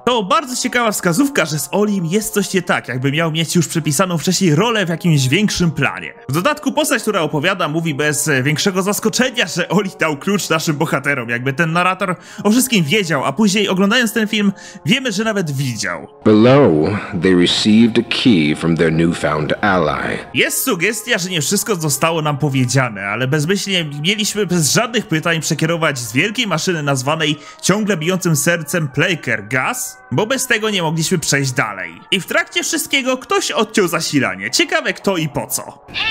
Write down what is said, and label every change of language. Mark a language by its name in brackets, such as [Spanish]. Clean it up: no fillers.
[Polish] To bardzo ciekawa wskazówka, że z Olim jest coś nie tak, jakby miał mieć już przypisaną wcześniej rolę w jakimś większym planie. W dodatku postać, która opowiada, mówi bez większego zaskoczenia, że Oli dał klucz naszym bohaterom, jakby ten narrator o wszystkim wiedział, a później oglądając ten film, wiemy, że nawet widział. [English] Below, they received a key from their newfound ally. [Polish] Jest sugestia, że nie wszystko zostało nam powiedziane, ale bezmyślnie mieliśmy bez żadnych pytań kierować z wielkiej maszyny nazwanej ciągle bijącym sercem Plaker Gas, bo bez tego nie mogliśmy przejść dalej. I w trakcie wszystkiego ktoś odciął zasilanie. Ciekawe kto i po co.